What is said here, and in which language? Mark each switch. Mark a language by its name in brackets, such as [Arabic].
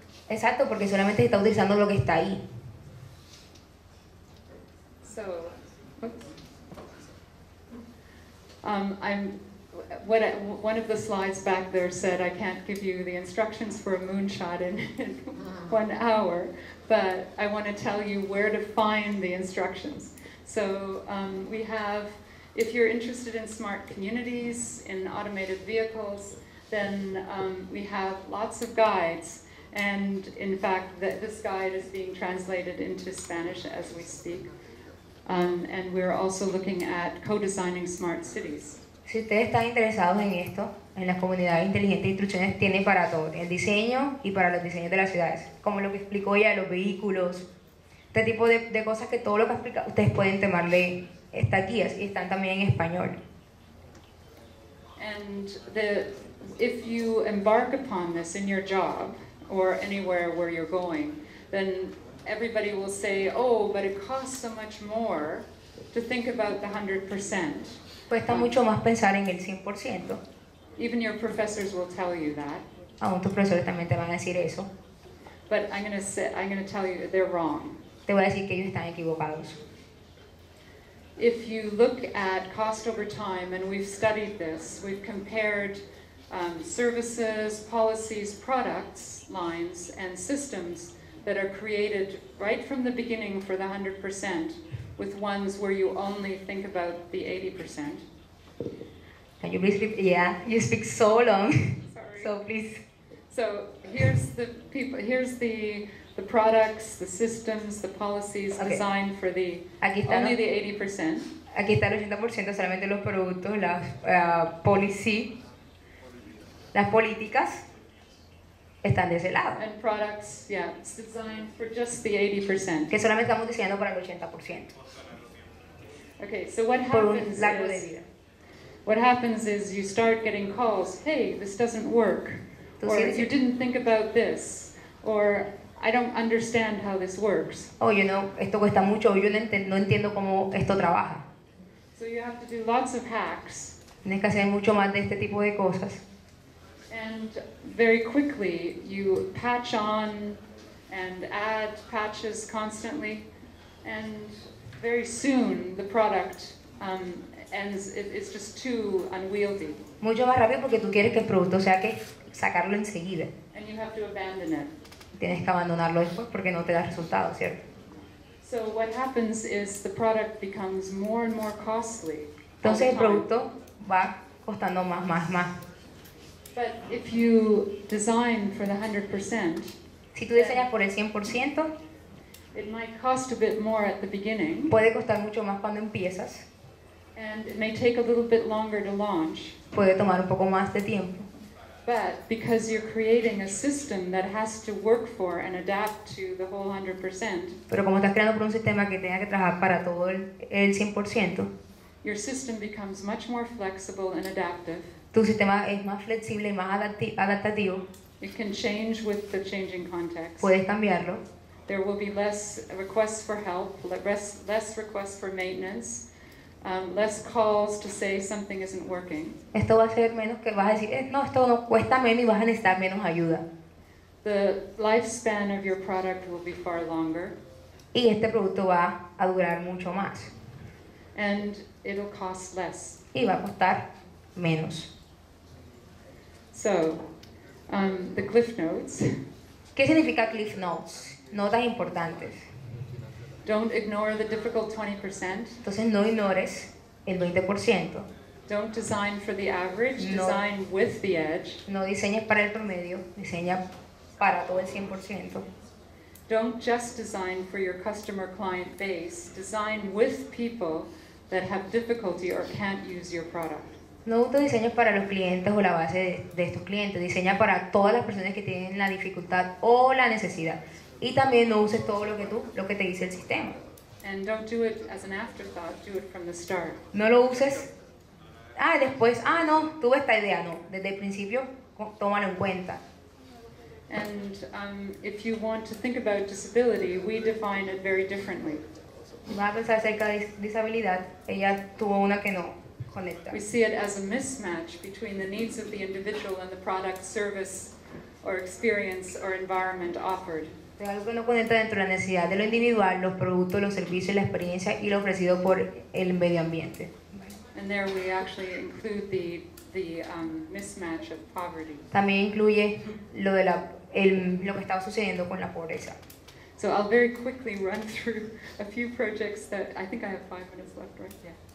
[Spanish] Exacto, porque solamente se está utilizando lo que está ahí. [English] So, one of the slides back there said I can't give you the instructions for a moonshot in 1 hour, but I want to tell you where to find the instructions. So, we have If you're interested in smart communities, in automated vehicles, then we have lots of guides. And in fact, this guide is being translated into Spanish as we speak. And we're also looking at co-designing smart cities. [Spanish] Si ustedes están interesados en esto, en la comunidad inteligente, instrucciones tiene para todo, el diseño y para los diseños de las ciudades. Como lo que explicó ella, los vehículos, este tipo de cosas que todo lo que explica, ustedes pueden tomarle estas guías y están también en español. [English] And if you embark upon this in your job or anywhere where you're going, then everybody will say, oh, but it costs so much more to think about the 100%. [Spanish] Cuesta mucho más pensar en el 100%. [English] Even your professors will tell you that. [Spanish] Aún tus profesores también te van a decir eso. [English] But I'm going to tell you they're wrong. [Spanish] Te voy a decir que ellos están equivocados. [English] If you look at cost over time, and we've studied this, we've compared services, policies, products, lines, and systems that are created right from the beginning for the 100% with ones where you only think about the 80%. Can you please repeat? Yeah, you speak so long. Sorry. So please. So here's the people, here's the products, the systems, the policies okay. Designed for the [Spanish] aquí está [English] only the 80%. [Spanish] Aquí está el 80% solamente los productos, las policy, las políticas. Están de ese lado. [English] And products, yeah, it's designed for just the 80%. [Spanish] Que solamente estamos diseñando para el 80%. [English] Okay, so what happens is, what happens is you start getting calls, hey, this doesn't work, or you didn't think about this, or I don't understand how this works. Oh, you know, [Spanish] esto cuesta mucho, yo no entiendo cómo esto trabaja. [English] So you have to do lots of hacks. [Spanish] Tienes que hacer mucho más de este tipo de cosas. [English] And very quickly, you patch on and add patches constantly, and very soon the product ends. It's just too unwieldy. [Spanish] Mucho más rápido porque tú quieres que el producto sea que sacarlo enseguida. [English] And you have to abandon it. [Spanish] Tienes que abandonarlo después porque no te da resultado, ¿cierto? [English] So what happens is the product becomes more and more costly. [Spanish] Entonces el producto va costando más, más, más. [English] But if you design for the 100%, [Spanish] si tú diseñas por el 100%, [English] it might cost a bit more at the beginning. [Spanish] Puede costar mucho más cuando empiezas. [English] And it may take a little bit longer to launch. [Spanish] Puede tomar un poco más de tiempo. [English] But because you're creating a system that has to work for and adapt to the whole 100%, [Spanish] pero como estás creando por un sistema que tenga que trabajar para todo el 100%, [English] your system becomes much more flexible and adaptive. [Spanish] Tu sistema es más flexible y más adaptativo. [English] It can change with the changing context. [Spanish] Puedes cambiarlo. [English] There will be less requests for help, less requests for maintenance, less calls to say something isn't working. [Spanish] Esto va a ser menos que vas a decir, no, esto no cuesta menos y vas a necesitar menos ayuda. [English] The lifespan of your product will be far longer. [Spanish] Y este producto va a durar mucho más. [English] And it'll cost less. [Spanish] Y va a costar menos. [English] So, the cliff notes. [Spanish] ¿Qué significa cliff notes? Notas importantes. [English] Don't ignore the difficult 20%. [Spanish] Entonces no ignores el 20%. [English] Don't design for the average, design with the edge. [Spanish] No diseñes para el promedio, diseña para todo el 100%. [English] Don't just design for your customer client base, design with people that have difficulty or can't use your product. [Spanish] No uso diseños para los clientes o la base de estos clientes. Diseña para todas las personas que tienen la dificultad o la necesidad. Y también no uses todo lo que te dice el sistema. [English] And don't do it as an afterthought. Do it from the start. [Spanish] No lo uses. Ah, después. Ah, no. Tuve esta idea. No. Desde el principio, tómalo en cuenta. [English] And if you want to think about disability, we define it very differently. [Spanish] Vas a pensar acerca de disabilidad. Ella tuvo una que no. [English] We see it as a mismatch between the needs of the individual and the product, service, or experience, or environment offered. [Spanish] De algo que no conecta dentro de la necesidad de lo individual, los productos, los servicios, la experiencia y lo ofrecido por el medio ambiente. [English] And there we actually include the mismatch of poverty. [Spanish] También incluye lo de la lo que estaba sucediendo con la pobreza. [English] So I'll very quickly run through a few projects that I think I have 5 minutes left, right? Yeah.